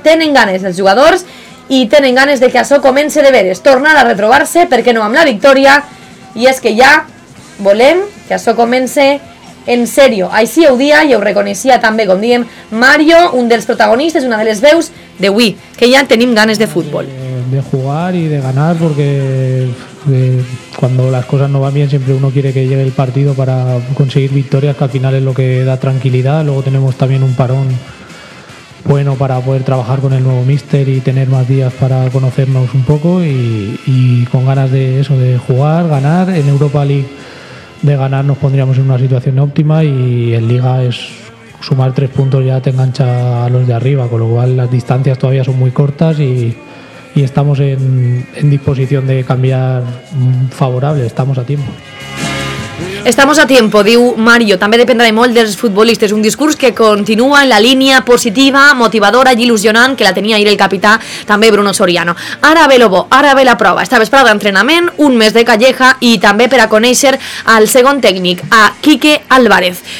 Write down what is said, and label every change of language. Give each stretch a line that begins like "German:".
Catalan: Tenen ganes els jugadors i tenen ganes de que això comence de veres. Tornar a retrobar-se, perquè no amb la victòria, i és que ja volem que això comence en serio, així ho dia i ho reconeixia també, com diem, Mario, un dels protagonistes, una de les veus de Wii, que ja tenim ganes de futbol.
Spanish: De jugar y de ganar, porque cuando las cosas no van bien siempre uno quiere que llegue el partido para conseguir victorias, que al final es lo que da tranquilidad. Luego tenemos también un parón bueno para poder trabajar con el nuevo míster y tener más días para conocernos un poco y con ganas de eso, de jugar, ganar en Europa League. De ganar nos pondríamos en una situación óptima y en Liga es sumar 3 puntos ya te engancha a los de arriba, con lo cual las distancias todavía son muy cortas y estamos en disposición de cambiar favorable, estamos a tiempo. Estamos a tiempo, diu Mario.
Catalan: També dependrà molt dels futbolistes. Un discurs que continua en la línia positiva, motivadora i il·lusionant que la tenia ahir el capità, també Bruno Soriano. Ara ve lo bo, ara ve la prova. Esta vesprada d'entrenament, un mes de Calleja i també per a conèixer al segon tècnic, a Quique Álvarez.